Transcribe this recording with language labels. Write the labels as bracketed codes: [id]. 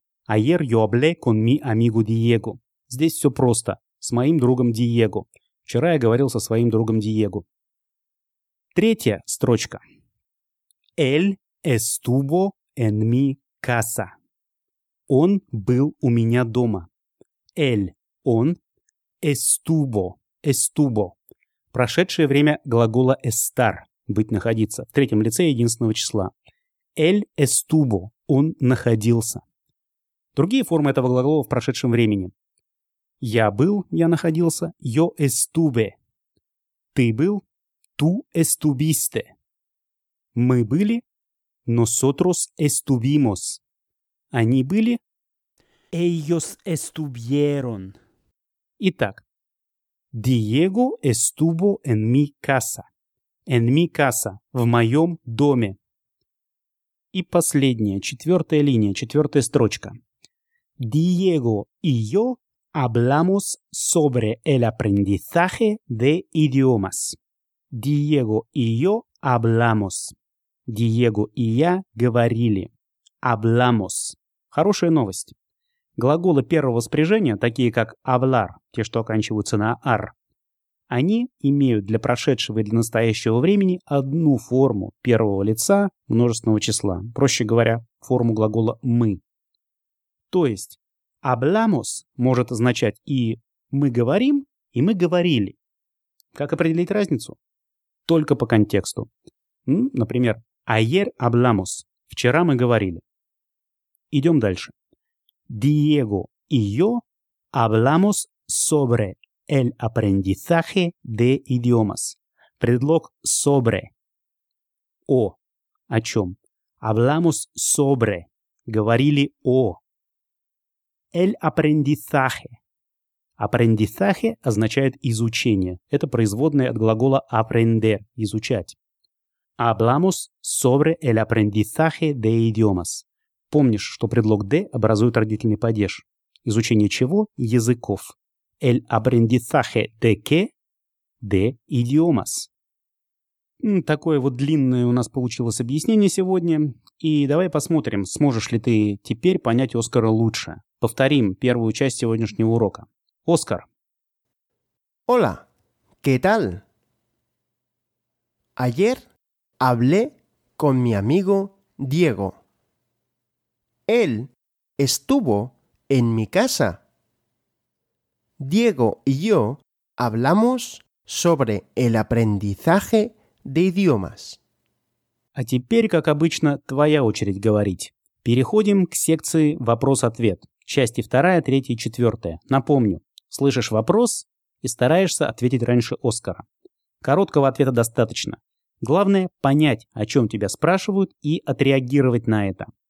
[es] Ayer yo hablé con mi amigo Diego. [ru] Здесь все просто. С моим другом Диего. Вчера я говорил со своим другом Диего. Третья строчка. [es] Él estuvo en mi casa. [ru] Он был у меня дома. Él. Он. [es] Estuvo. Estuvo. [ru] Прошедшее время глагола estar, быть, находиться. В третьем лице единственного числа. [es] Él estuvo. [ru] Он находился. Другие формы этого глагола в прошедшем времени. Я был, я находился. [es] Yo estuve. [ru] Ты был. [es] Tú estuviste. [ru] Мы были. [es] Nosotros estuvimos. [ru] Они были. [es] Ellos estuvieron. [ru] Итак. [es] Diego estuvo en mi casa. En mi casa. [ru] В моем доме. И последняя, четвертая линия, четвертая строчка. [es] Diego y yo hablamos sobre el aprendizaje de idiomas. Diego y yo hablamos. [ru] Diego y я говорили. [es] Hablamos. [ru] Хорошая новость. Глаголы первого спряжения, такие как hablar, те, что оканчиваются на ar, они имеют для прошедшего и для настоящего времени одну форму первого лица множественного числа. Проще говоря, форму глагола «мы». То есть «hablamos» может означать и «мы говорим», и «мы говорили». Как определить разницу? Только по контексту. Например, [es] «ayer hablamos» [ru] – «вчера мы говорили». Идем дальше. [es] «Diego и yo hablamos sobre». El aprendizaje de idiomas. [ru] Предлог sobre. О. О чем? [es] Hablamos sobre. [ru] Говорили о. [es] El aprendizaje. [ru] Aprendizaje означает изучение. Это производное от глагола aprender. Изучать. [es] Hablamos sobre el aprendizaje de idiomas. [ru] Помнишь, что предлог de образует родительный падеж. Изучение чего? Языков. [es] El aprendizaje de qué? De idiomas. [ru] Такое вот длинное у нас получилось объяснение сегодня. И давай посмотрим, сможешь ли ты теперь понять Оскара лучше. Повторим первую часть сегодняшнего урока. Оскар. [es] Hola, ¿qué tal? Ayer hablé con mi amigo Diego. Él estuvo en mi casa. Diego y yo hablamos sobre el aprendizaje de idiomas. [ru] А теперь, как обычно, твоя очередь говорить. Переходим к секции «Вопрос-ответ». Части 2, 3 и 4. Напомню, слышишь вопрос и стараешься ответить раньше Оскара. Короткого ответа достаточно. Главное – понять, о чем тебя спрашивают, и отреагировать на это.